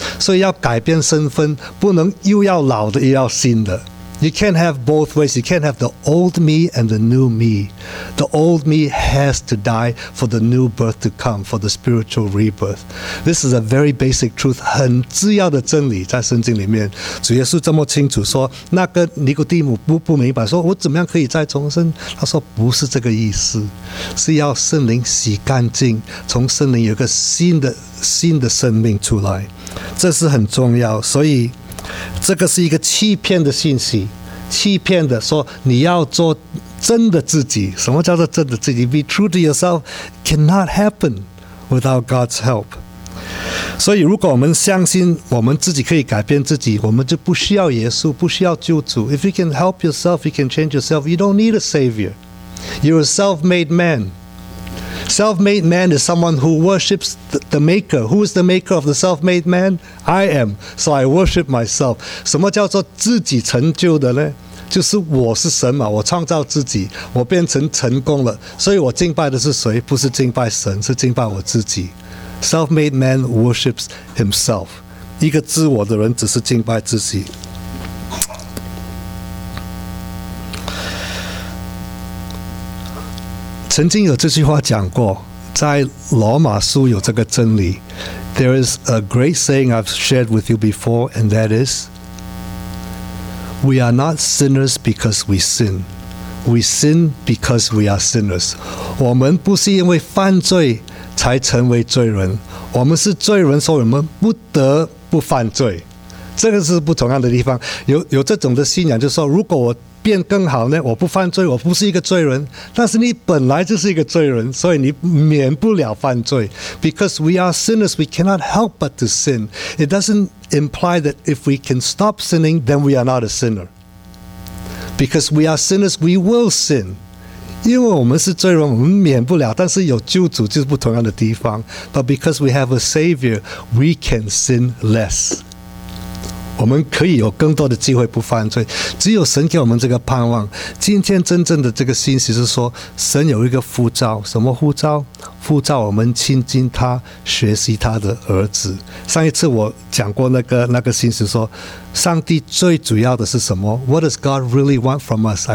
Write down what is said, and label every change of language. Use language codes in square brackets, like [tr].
[zh] 所以要改变身份，不能又要老的又要新的。 [en] You can't have both ways. You can't have the old me and the new me. The old me has to die for the new birth to come, for the spiritual rebirth. This is a very basic truth, [zh] 很重要的真理在圣经里面。主耶稣这么清楚说，那个尼古底母不明白，说我怎么样可以再重生？他说不是这个意思，是要圣灵洗干净，从圣灵有个新的生命出来，这是很重要。所以。这个是一个欺骗的信息，欺骗的说你要做真的自己。什么叫做真的自己 ？ [en] Be true to yourself cannot happen without God's help。 [zh] 所以，如果我们相信我们自己可以改变自己，我们就不需要耶稣，不需要救主。 [en] If you can help yourself, you can change yourself. You don't need a savior. You're a self-made man. Self-made man is someone who worships the maker. Who is the maker of the self-made man? I am. So I worship myself. [zh] 什么叫做自己成就的呢？就是我是神嘛，我创造自己，我变成成功了。所以我敬拜的是谁？不是敬拜神，是敬拜我自己。 [en] Self-made man worships himself. [zh] 一个自我的人只是敬拜自己。曾经有这句话讲过，在罗马书有这个真理。 [en] There is a great saying I've shared with you before, and that is, we are not sinners because we sin. We sin because we are sinners. [zh] 我们不是因为犯罪才成为罪人，我们是罪人，所以我们不得不犯罪。这个是不同样的地方。有这种的信仰，就是说，如果我变更好呢，我不犯罪，我不是一个罪人，但是你本来就是一个罪人，所以你免不了犯罪。 [en] Because we are sinners, we cannot help but to sin. It doesn't imply that if we can stop sinning, then we are not a sinner. Because we are sinners, we will sin. [zh] 因为我们是罪人，我们免不了，但是有救主就是不同样的地方。 [en] But because we have a savior, we can sin less. [zh] 我们可以有更多的机会不犯罪，只有神给我们这个盼望。今天真正的这个信息是说，神有一个呼召，什么呼召？呼召我们亲近他，学习他的儿子。上一次我讲过那个信息说，上帝最主要的是什么 ？ [en] What does God really want from us?